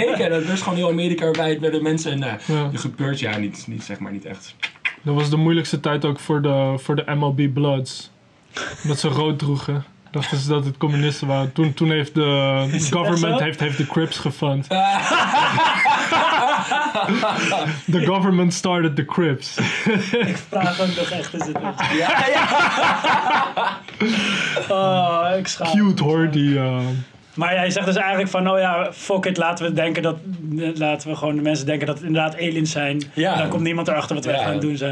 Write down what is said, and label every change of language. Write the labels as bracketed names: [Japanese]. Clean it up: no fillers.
[Dutch] Dat was gewoon heel Amerika wijd bij de mensen. Je gebeurt ja niet, zeg maar, niet echt. Dat was de moeilijkste tijd ook voor de MLB Bloods. Omdat ze rood droegen. Dachten ze dat het communisten waren. Toen heeft de government heeft de Crips gefund. [English] The government started the Crips. [Dutch] Ik vraag ook nog echt eens het. Ja. Oh, ik schaam. Cute hoor, die... Maar jij zegt dus eigenlijk van, oh ja, [English] fuck it, [Dutch] laten we gewoon de mensen denken dat het inderdaad aliens zijn. Ja. Dan komt niemand erachter wat wij gaan doen zijn.